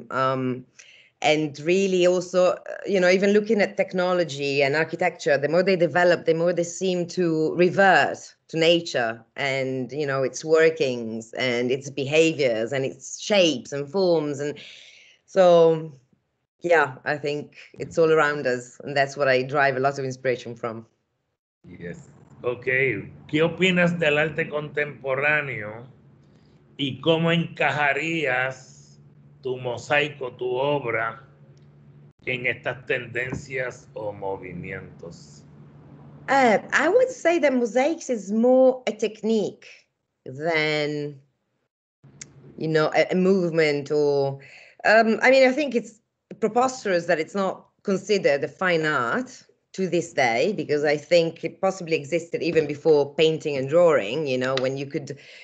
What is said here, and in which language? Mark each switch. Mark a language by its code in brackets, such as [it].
[en] And really also, you know, even looking at technology and architecture, the more they develop, the more they seem to revert to nature and, you know, its workings and its behaviors and its shapes and forms. And so, yeah, I think it's all around us. And that's what I drive a lot of inspiration from. Yes. Okay. [es] ¿Qué opinas del arte contemporáneo y cómo encajarías tu mosaico, tu obra, en estas tendencias o movimientos? [en] I would say that mosaics is more a technique than, you know, a movement or, I mean, I think it's preposterous that it's not considered a fine art to this day, because I think it possibly existed even before painting and drawing, you know, when you could,